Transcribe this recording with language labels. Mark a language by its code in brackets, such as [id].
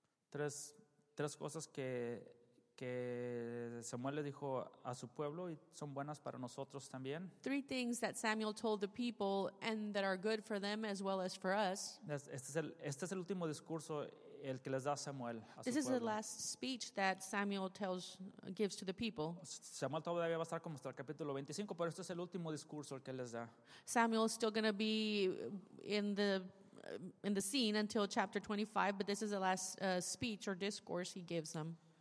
[es] Tres cosas que Samuel le dijo a su pueblo y son buenas para nosotros también. [en] Three things that Samuel told the people and that are good for them as well as for us. [es] Este es el último discurso. El que les da Samuel a [en] this [es] su [en] is [es] pueblo. [en] The last speech that Samuel tells, gives to the people. [es] Samuel todavía va a estar como hasta el capítulo 25, pero este es el último discurso el que les da. [en] Samuel is still going to be in the scene until chapter 25, but this is the last speech or discourse he gives them.